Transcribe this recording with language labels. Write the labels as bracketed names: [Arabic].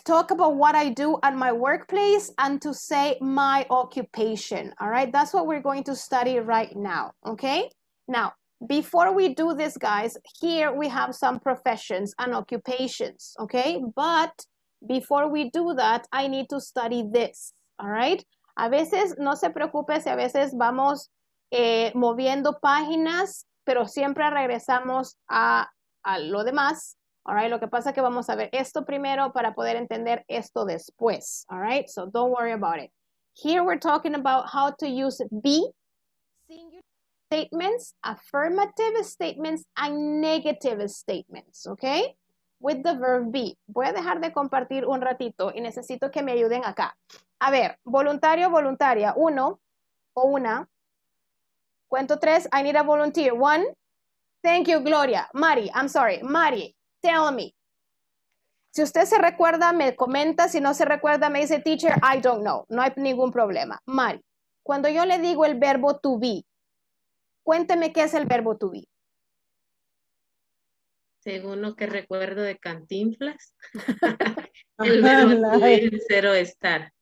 [English] Talk about what I do at my workplace and to say my occupation. All right. That's what we're going to study right now. Okay. Now, before we do this, guys, here we have some professions and occupations. Okay. But before we do that, I need to study this. All right. [Spanish] A veces, no se preocupe si a veces vamos moviendo páginas, pero siempre regresamos a lo demás. [English] All right, [Spanish] lo que pasa es que vamos a ver esto primero para poder entender esto después. [English] All right, so don't worry about it. Here we're talking about how to use be, singular statements, affirmative statements, and negative statements, okay? With the verb be. [Spanish] Voy a dejar de compartir un ratito y necesito que me ayuden acá. A ver, voluntario, voluntaria, uno o una. Cuento tres, [English] I need a volunteer. One, thank you, Gloria. Mari, I'm sorry. [Spanish] Mari, [English] tell me. [Spanish] Si usted se recuerda, me comenta. Si no se recuerda, me dice, [English] teacher, I don't know. [Spanish] No hay ningún problema. Mari, cuando yo le digo el verbo to be, cuénteme qué es el verbo to be. Según lo que recuerdo de Cantinflas, el verbo to be es cero estar.